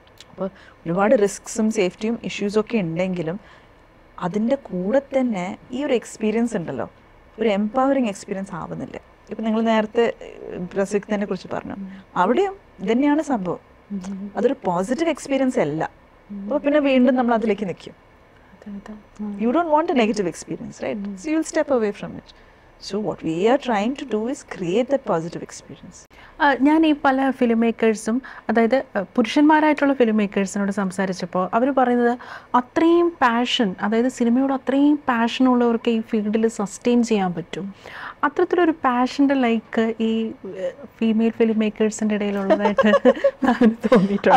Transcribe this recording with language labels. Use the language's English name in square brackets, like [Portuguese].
[Malayalam] അപ്പോൾ ഒരുപാട് റിസ്ക്സും സേഫ്റ്റിയും ഇഷ്യൂസൊക്കെ ഉണ്ടെങ്കിലും അതിൻ്റെ കൂടെ തന്നെ ഈ ഒരു എക്സ്പീരിയൻസ് ഉണ്ടല്ലോ, ഒരു എംപവറിങ് എക്സ്പീരിയൻസ് ആവുന്നില്ല. ഇപ്പം നിങ്ങൾ നേരത്തെ പ്രസക്തിനെ കുറിച്ച് പറഞ്ഞു, അവിടെയും ഇതന്നെയാണ് സംഭവം. അതൊരു പോസിറ്റീവ് എക്സ്പീരിയൻസ് അല്ല. അപ്പോൾ പിന്നെ വീണ്ടും നമ്മൾ അതിലേക്ക് നിൽക്കും. [English] You don't want a negative experience, right? So you will step away from it. So what we are trying to do is create that positive experience. [Malayalam] ഞാൻ ഈ പല ഫിലിം മേക്കേഴ്സും, അതായത് പുരുഷന്മാരായിട്ടുള്ള ഫിലിം മേക്കേഴ്സിനോട് സംസാരിച്ചപ്പോൾ അവർ പറയുന്നത് അത്രയും പാഷൻ, അതായത് സിനിമയോട് അത്രയും പാഷനുള്ളവർക്ക് ഈ ഫീൽഡിൽ സസ്റ്റെയിൻ ചെയ്യാൻ പറ്റും. അത്തരത്തിലൊരു പാഷൻ്റെ ലൈക്ക് ഈ ഫീമെയിൽ ഫിലിം മേക്കേഴ്സിൻ്റെ ഇടയിലുള്ളതായിട്ട് തോന്നിയിട്ടുണ്ട്.